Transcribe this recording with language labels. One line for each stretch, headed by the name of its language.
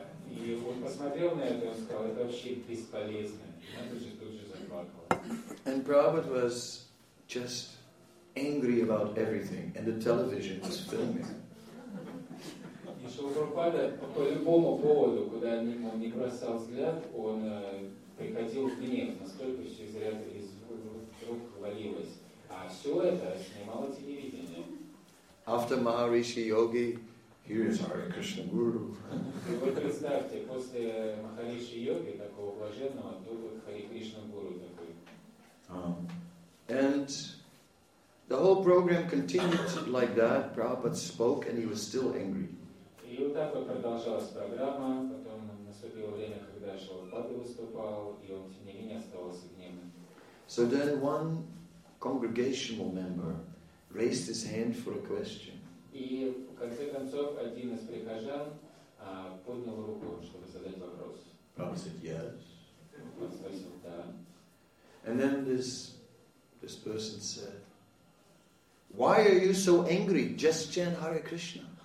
Russian: И он посмотрел на это и сказал, это вообще бесполезно. Mataji тут же заплакал.
English: And Prabhupada was just angry about everything, and the television was filming.
Russian: Шилпада по любому поводу, куда мимо не бросал взгляд, он приходил в гнев, настолько все из рук валилось. А все это снимало телевидение.
English: After Maharishi Yogi, here is Hare Krishna Guru.
Russian: И вот представьте, после Махариши Йоги, такого блаженного, тут вот Хари Кришна Гуру такой.
English: And the whole program continued like that. Prabhupada spoke and he was still angry.
Russian: И вот так вот продолжалась программа, потом наступило время, когда Шилпада выступал, и он, тем не менее, оставался гневным.
English: So then one congregational member raised his hand for a question.
Russian: И в конце концов один из прихожан поднял руку, чтобы задать вопрос.
English: Prabhupada said yes.
Russian: Он спросил, да.
English: And then this person said, why are you so angry? Just chant Hare Krishna.